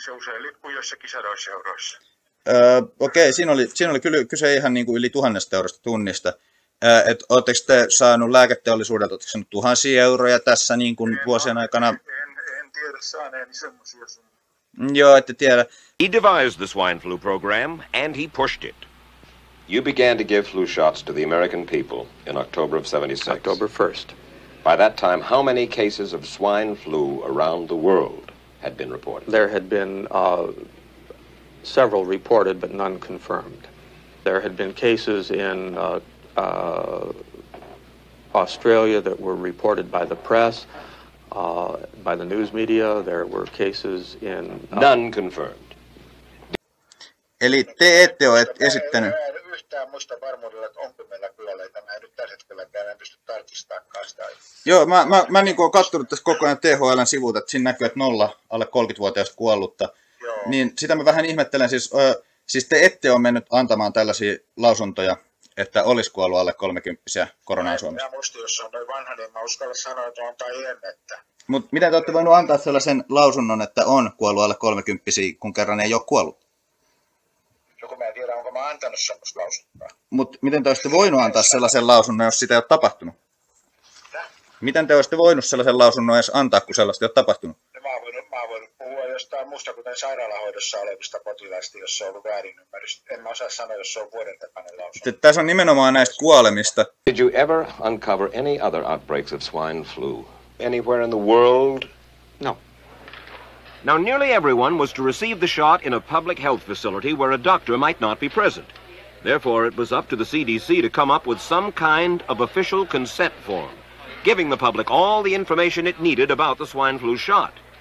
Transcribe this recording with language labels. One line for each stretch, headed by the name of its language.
Finnish: Se usein liikkuu jossakin sadoissa euroissa. Okei, siinä oli kyllä kyse ihan niin kuin yli 1000 eurosta tunnista. Oletteko te saanut lääketeollisuudelta, oletteko saanut 1000 euroja tässä niin kuin vuosien aikana? En tiedä saaneeni semmoisia sun. Joo, ette tiedä.
English: He devised the swine flu program, and he pushed it. You began to give flu shots to the American people in October of 76. October 1st. By that time, how many cases of swine flu around the world had been reported? There had been several reported, but none confirmed. There had been cases in Australia that were reported by the press. By the news media, there were cases in... None confirmed.
Finnish: Eli te ette ole esittänyt... Mä en yhtään muista varmuudella, että onko meillä kuolleita. Mä en nyt tällä hetkellä enää pysty tarkistamaan sitä. Joo, mä niin kuin olen katsonut tässä koko ajan THL:n sivuilta, että siinä näkyy, että nolla alle 30-vuotiaista kuollutta. Joo. Niin sitä mä vähän ihmettelen. Siis te ette ole mennyt antamaan tällaisia lausuntoja, että olisi kuollut alle 30-vuotiaista koronaa Suomessa. Mä muistin, jos on noin vanha, niin mä uskallan sanoa, että on tai en, että... Mutta mitä te olette voineet antaa sellaisen lausunnon, että on kuollut alle 30-vuotiaista, kun kerran ei ole kuollut? Joku mä en tiedä, onko mä antanut sellaista lausuntoa. Mutta miten te olette voineet antaa sellaisen lausunnon, jos sitä ei ole tapahtunut? Mitä? Miten te olette voineet sellaisen lausunnon edes antaa, kun sellaista ei ole tapahtunut? Mä Mä oon voinut puhua jostain muusta kuin sairaalahoidossa olevista potilaista, jos se on ollut väärinymmärrys. En mä osaa sanoa, jos se on vuoden takainen lausunto. Tässä on nimenomaan näistä kuolemista.
English: Did you ever uncover any other outbreaks of swine flu anywhere in the world? No. Now, nearly everyone was to receive the shot in a public health facility where a doctor might not be present. Therefore, it was up to the CDC to come up with some kind of official consent form, giving the public all the information it needed about the swine flu shot.